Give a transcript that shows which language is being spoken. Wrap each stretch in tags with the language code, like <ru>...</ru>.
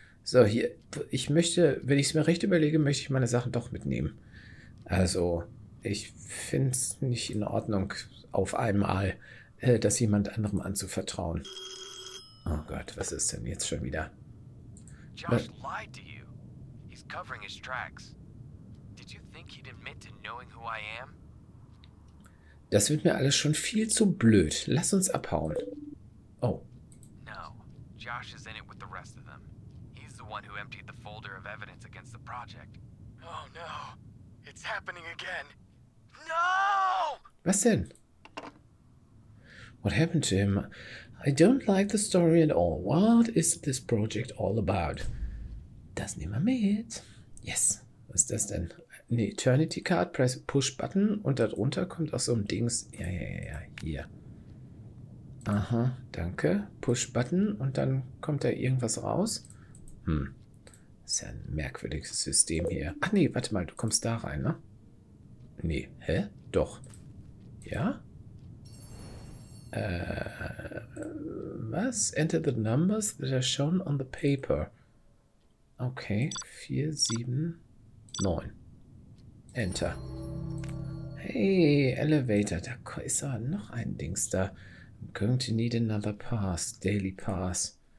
<de>So, hier, ich möchte, wenn ich es mir recht überlege, möchte ich meine Sachen doch mitnehmen. Also, ich finde es nicht in Ordnung, auf einmal das jemand anderem anzuvertrauen. Oh Gott, was ist denn jetzt schon wieder?</de> <en>Josh lied to you. He's covering his tracks. Did you think he'd admit to knowing who I am?</en> <de>Das wird mir alles schon viel zu blöd. Lass uns abhauen. Oh.</de> <en>No, Josh is in it with the rest of them. He's the one who emptied the folder of evidence against the project. Oh no, it's happening again. No!</en> <de>Was denn?</de> <en>What happened to him? I don't like the story at all. What is this project all about?</en> <de>Das nehmen wir mit. Yes. Was ist das denn? Eine Eternity Card, press Push Button und darunter kommt auch so ein Dings. Ja, hier. Aha, danke. Push Button und dann kommt da irgendwas raus. Ist ja ein merkwürdiges System hier. Ach nee, warte mal, du kommst da rein, ne? Nee, hä? Doch. Ja? Was?</de> <en>Enter the numbers that are shown on the paper.</en> <de>Okay, 4, 7, 9. Enter. Hey, Elevator, da ist aber noch ein Dings da.</de> <en>I'm going to need another pass, daily pass.</en>